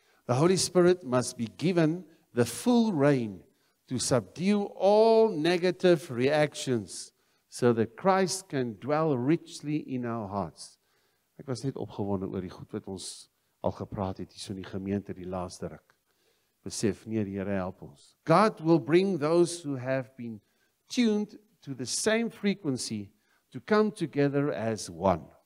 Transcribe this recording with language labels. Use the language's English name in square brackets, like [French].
[English] The Holy Spirit must be given the full reign to subdue all negative reactions so that Christ can dwell richly in our hearts. [Afrikaans] Ek was net opgewonde oor die goed wat ons al gepraat het, hier so in die gemeente die laaste ruk. Besef, nee, die Here help ons. [English] God will bring those who have been tuned to the same frequency to come together as one.